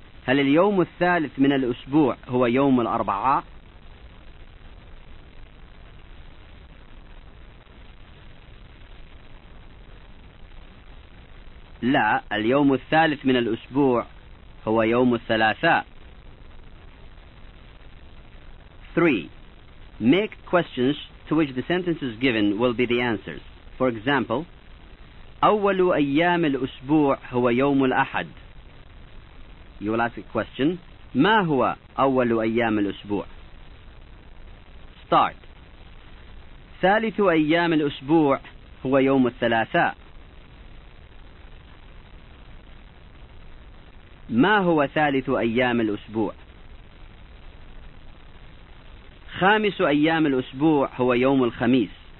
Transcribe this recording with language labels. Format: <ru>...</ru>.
<ar>هل اليوم الثالث من الأسبوع هو يوم الأربعاء؟ لا، اليوم الثالث من الأسبوع هو يوم الثلاثاء.</ar> <en>3. Make questions to which the sentences given will be the answers. For example,</en> <ar>أول أيام الأسبوع هو يوم الأحد.</ar> <en>You will ask a question,</en> <ar>ما هو أول أيام الأسبوع؟</ar> <en>Start.</en> <ar>ثالث أيام الأسبوع هو يوم الثلاثاء. ما هو ثالث أيام الأسبوع؟ خامس أيام الأسبوع هو يوم الخميس.</ar>